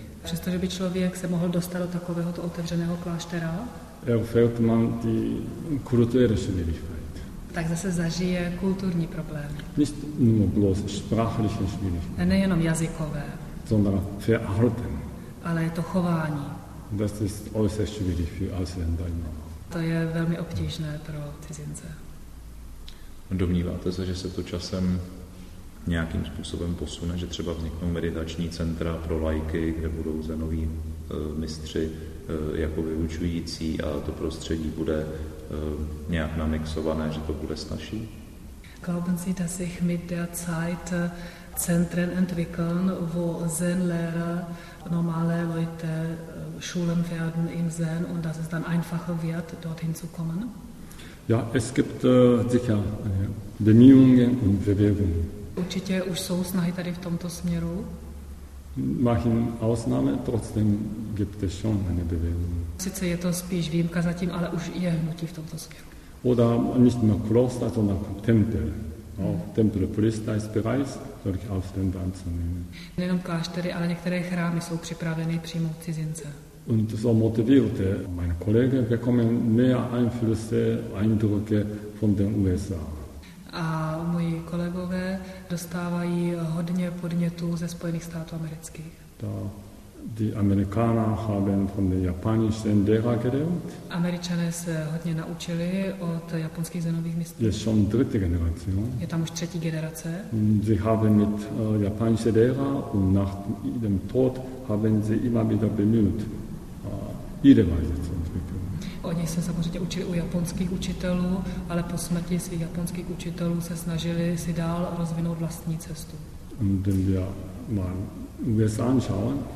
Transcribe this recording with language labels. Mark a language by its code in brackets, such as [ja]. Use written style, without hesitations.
[cs] přestože by člověk se mohl dostat do takovéhoto otevřeného kláštera, [de] erfährt man die kulturelle Schwierigkeit. [cs] Tak zase zažije kulturní problém. [de] Nicht nur bloß sprachliche Schwierigkeit. [cs] Nejenom jazykové. [de] Sondern verhalten. [cs] Ale je to chování. [de] Das ist äußerst schwierig für Ausländer. [cs] To je velmi obtížné pro cizince. Domníváte se, že se to časem nějakým způsobem posune, že třeba vzniknou meditační centra pro laiky, kde budou zenoví mistři jako vyučující a to prostředí bude nějak namixované, že to bude snažší? [de] Glauben Sie, dass sich mit der Zeit Zentren entwickeln, wo Zen-Lehrer normale Leute schulen werden im Zen und dass es dann einfacher wird, dorthin zu kommen? Ja, es gibt sicher Bemühungen und Bewegungen. [cs] Určitě už jsou snahy tady v tomto směru. [de] Machen Ausnahme, trotzdem gibt es schon eine Bewegung. [cs] Sice je to spíš výjimka zatím, ale už je hnutí v tomto směru. [de] Oder nicht nur Kloster, sondern Tempel. Tempelpriester ist bereit, solche Ausländer anzunehmen. [cs] Nejenom kláštery, ale některé chrámy jsou připraveny přijmout cizince. [de] Und so motivierte meine Kollegen bekommen mehr Einflüsse, Eindrücke von den USA. [cs] A moji kolegové dostávají hodně podnětů ze Spojených států amerických. [de] Die Amerikaner haben von der japanischen Lehrer gelernt. [cs] Američané se hodně naučili od japonských zenových mistrů. [de] Je schon dritte Generation. [cs] Je tam už třetí generace. [de] Sie haben mit japanischen Lehrer und nach dem Tod haben sie immer wieder bemüht, ihre Weise zu entwickeln. [cs] Oni se samozřejmě učili u japonských učitelů, ale po smrti svých japonských učitelů se snažili si dál rozvinout vlastní cestu. [de] Und wenn wir mal USA anschauen,